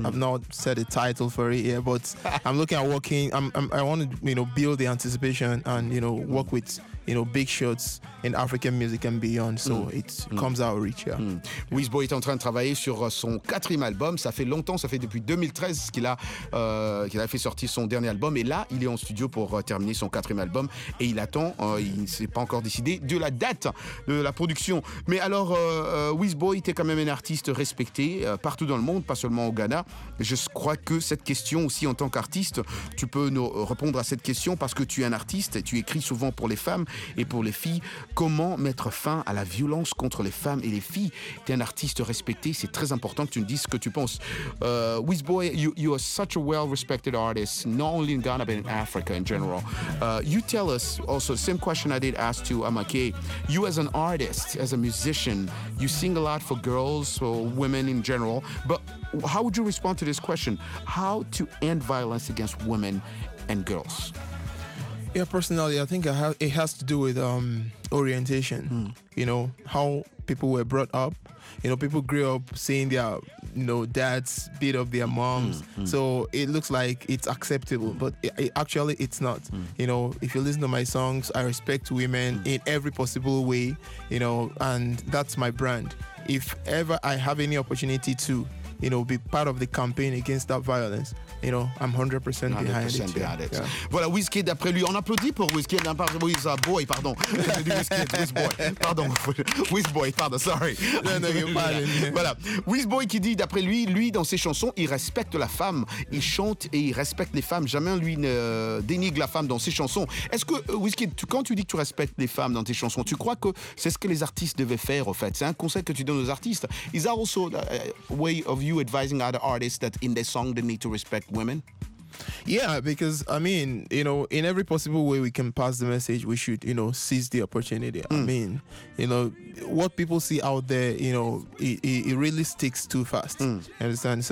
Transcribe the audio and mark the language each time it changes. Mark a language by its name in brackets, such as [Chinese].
[English] I've not set a title for it yet, but I'm looking at working. I want to, you know, build the anticipation and, you know, work with, you know, big shots in African music and beyond. So it comes out rich, yeah. [French] Wizboy est en train de travailler sur son quatrième album. Ça fait longtemps, ça fait depuis 2013 qu'il a fait sortir son dernier album. Et là, il est en studio pour terminer son quatrième album. Et il attend, il ne s'est pas encore décidé de la date de la production. Mais alors, Wizboy était quand même un artiste respecté partout dans le monde, pas seulement au Ghana. Je crois que cette question aussi, en tant qu'artiste, tu peux nous répondre à cette question parce que tu es un artiste et tu écris souvent pour les femmes et pour les filles. Comment mettre fin à la violence contre les femmes et les filles? T'es un artiste respecté, c'est très important que tu me dises ce que tu penses. [English] Wizboy, you are such a well-respected artist, not only in Ghana, but in Africa in general. You tell us also, same question I did ask to Amake, you as an artist, as a musician, you sing a lot for girls or women in general, but how would you respond to this question? How to end violence against women and girls? Yeah, personally, I think it has to do with orientation, you know, how people were brought up. You know, people grew up seeing their, you know, dads beat up their moms. So it looks like it's acceptable, but actually it's not. You know, if you listen to my songs, I respect women in every possible way, you know, and that's my brand. If ever I have any opportunity to, you know, be part of the campaign against that violence, you know, I'm 100% behind it. [French] Voilà, Wizkid, d'après lui, on applaudit pour Wizkid, Wizboy, voilà. Wizboy qui dit, d'après lui, dans ses chansons, il respecte la femme, il chante et il respecte les femmes. Jamais lui ne dénigre la femme dans ses chansons. Est-ce que, Wizkid, quand tu dis que tu respectes les femmes dans tes chansons, tu crois que c'est ce que les artistes devaient faire, au fait? C'est un conseil que tu donnes aux artistes. [English] Is that also a way of you advising other artists that in their song they need to respect women? Yeah, because I mean, you know, in every possible way we can pass the message, we should, you know, seize the opportunity. I mean, you know, what people see out there, you know, it really sticks too fast. Understand?